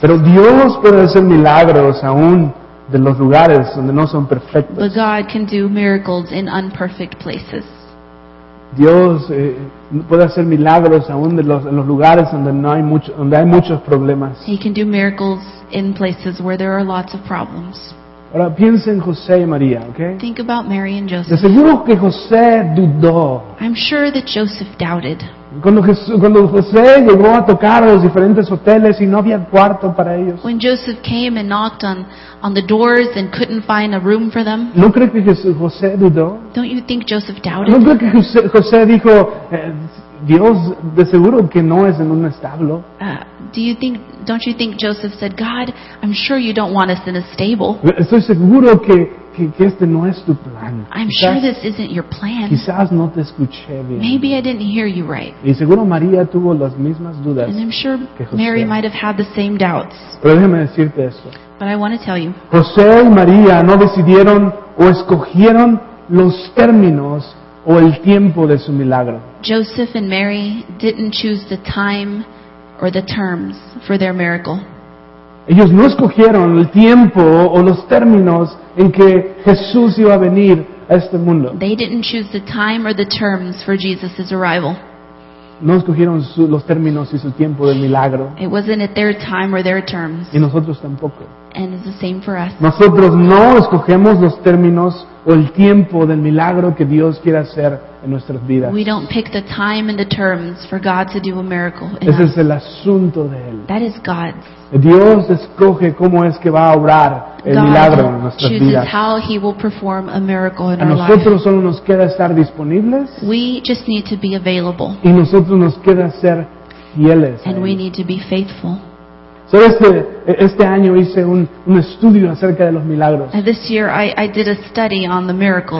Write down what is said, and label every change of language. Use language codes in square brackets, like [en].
[es] Pero Dios puede hacer milagros aún de los lugares donde no son perfectos. [en] But God can do miracles in unperfect places. [es] Dios puede hacer milagros aún en los lugares donde no hay mucho, donde hay muchos problemas. [en] He can do miracles in places where there are lots of problems. [es] Ahora piensa en José y María, ¿ok? [en] Think about Mary and Joseph. [es] De seguro que José dudó. [en] I'm sure that Joseph doubted. [es] Cuando José llegó a tocar a los diferentes hoteles y no había cuarto para ellos. [en] When Joseph came and knocked on the doors and couldn't find a room for them. [es] ¿No crees que José dudó? [en] Don't you think Joseph doubted? [es] ¿No crees que José dijo, Dios de seguro que no es en un establo? [en] Don't you think Joseph said, God, I'm sure you don't want us in a stable. [es] Estoy seguro que este no es tu plan. [en] I'm sure this isn't your plan. [es] Quizás no te escuché bien. [en] Maybe I didn't hear you right. [es] Y seguro María tuvo las mismas dudas. [en] And I'm sure Mary might have had the same doubts. [es] Pero déjame decirte esto. [en] But I want to tell you. [es] José y María no decidieron o escogieron los términos o el tiempo de su milagro. [en] Joseph and Mary didn't choose the time or the terms for their miracle. [es] Ellos no escogieron el tiempo o los términos en que Jesús iba a venir a este mundo. [en] They didn't choose the time or the terms for Jesus' arrival. [es] No escogieron los términos y su tiempo del milagro. [en] It wasn't at their time or their terms. [es] Y nosotros tampoco. [en] and it's the same for us. [es] Nosotros no escogemos los términos o el tiempo del milagro que Dios quiere hacer en nuestras vidas. [en] We don't pick the time and the terms for God to do a miracle. [es] Ese es el asunto de él. [en] That is God's. [es] Dios escoge cómo es que va a obrar el milagro en nuestras vidas. [en] God chooses how he will perform a miracle in our life. [es] Nosotros solo nos queda estar disponibles. [en] We just need to be available. [es] Y nosotros nos queda ser fieles. [en] And we need to be faithful. [es] Este año hice un estudio acerca de los milagros. [en] And this year I did a study on the miracles